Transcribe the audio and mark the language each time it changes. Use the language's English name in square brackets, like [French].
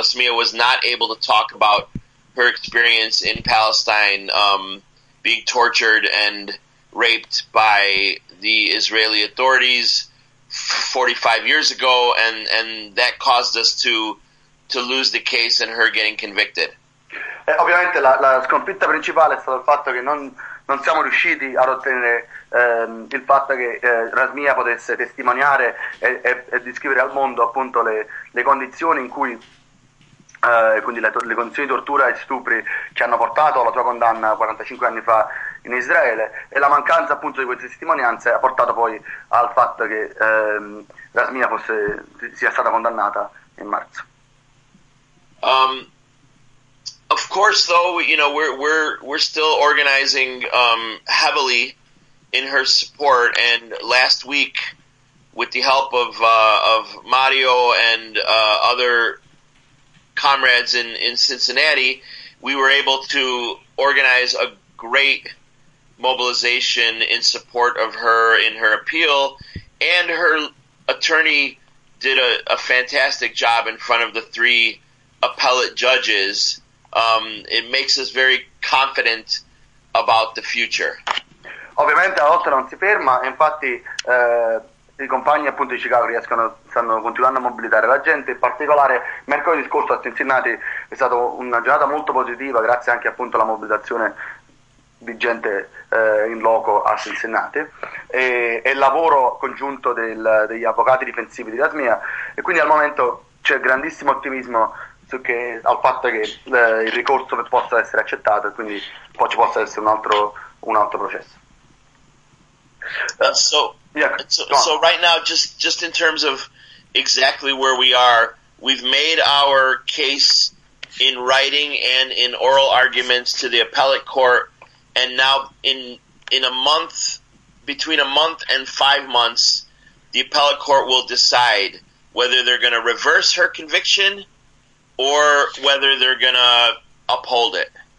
[English] Rasmea was not able to talk about her experience in Palestine, being tortured and raped by the Israeli authorities 45 years ago, and that caused us to lose the case and her getting convicted. [Italian] Ovviamente la sconfitta principale è stato il fatto che non siamo riusciti ad ottenere il fatto che Rasmea potesse testimoniare e descrivere al mondo appunto le condizioni in cui quindi le condizioni di tortura e stupri che hanno portato alla sua condanna 45 anni fa in Israele, e la mancanza appunto di queste testimonianze ha portato poi al fatto che Rasmea sia stata condannata in marzo. [English] Of course, though, you know, we're still organizing heavily in her support, and last week, with the help of Mario and other comrades in Cincinnati, we were able to organize a great mobilization in support of her in her appeal, and her attorney did a fantastic job in front of the three appellate judges. It makes us very confident about the future. [Italian] Ovviamente la lotta non si ferma, infatti i compagni appunto di Chicago stanno continuando a mobilitare la gente. In particolare mercoledì scorso a Cincinnati è stata una giornata molto positiva, grazie anche appunto alla mobilitazione di gente in loco a Cincinnati e il lavoro congiunto degli avvocati difensivi di Rasmea, e quindi al momento c'è grandissimo ottimismo al fatto che il ricorso possa essere accettato e quindi poi ci possa essere un altro processo. [English] So right now, just in terms of exactly where we are, we've made our case in writing and in oral arguments to the appellate court, and now between a month and 5 months, the appellate court will decide whether they're going to reverse her conviction or whether they're gonna uphold it.